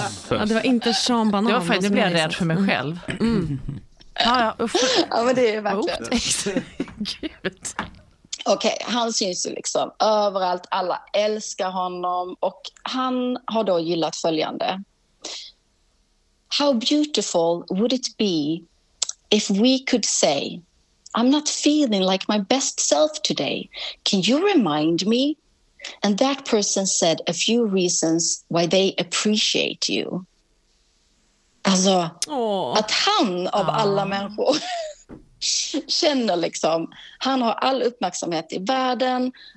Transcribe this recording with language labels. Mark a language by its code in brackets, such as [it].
[sv] Ja, det var inte Sean Banan. Det var, blev jag rädd för mig själv. Mm. Ah, ja, ja, men det är verkligen. Gud. Okej, han syns ju liksom överallt. Alla älskar honom. Och han har då gillat följande. [en] How beautiful would it be if we could say I'm not feeling like my best self today. Can you remind me? And that person said a few reasons why they appreciate you. [sv] Alltså, att han av alla människor känner liksom, han har all uppmärksamhet i världen.